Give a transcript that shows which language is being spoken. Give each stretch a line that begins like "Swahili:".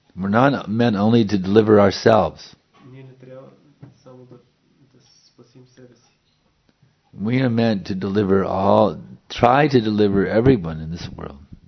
English: We're not meant only to deliver ourselves.
Bulgarian: Ние не трябва само да спасим себе си.
English: We are meant to deliver all, try to deliver everyone in this world.